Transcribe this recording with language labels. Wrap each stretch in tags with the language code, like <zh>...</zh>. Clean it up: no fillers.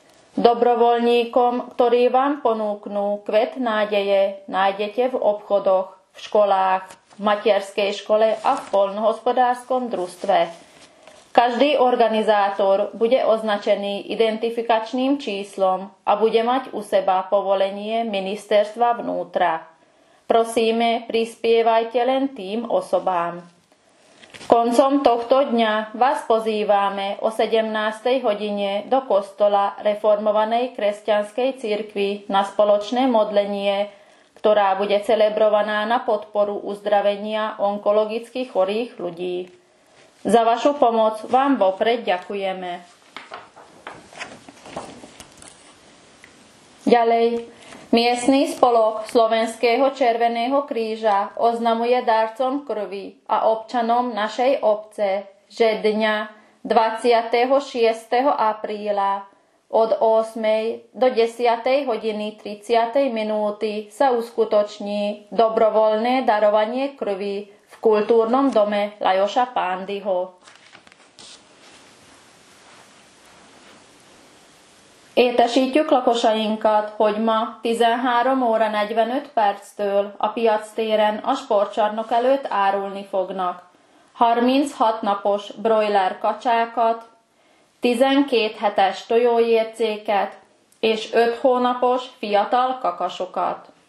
<sk>Dobrovoľníkom, ktorí vám ponúknú kvet nádeje, nájdete v obchodoch, v školách, v materskej škole a v poľnohospodárskom družstve. Každý organizátor bude označený identifikačným číslom a bude mať u seba povolenie ministerstva vnútra. Prosíme, prispievajte len tým osobám. Koncom tohto dňa vás pozývame o 17. hodine do kostola Reformovanej kresťanskej cirkvi na spoločné modlenie, ktorá bude celebrovaná na podporu uzdravenia onkologicky chorých ľudí. Za vašu pomoc vám vopred ďakujeme. Ďalej, miestny spolok Slovenského červeného kríža oznamuje darcom krvi a občanom našej obce, že dňa 26. apríla od 8. do 10. hodiny 30. minúty sa uskutoční dobrovoľné darovanie krvi v kultúrnom dome Lajoša Pándyho.</sk> <hu>Értesítjük lakosainkat, hogy ma 13:45-től a piac téren a sportcsarnok előtt árulni fognak 36 napos broiler kacsákat, 12 hetes tojójércéket és 5 hónapos fiatal kakasokat.</hu>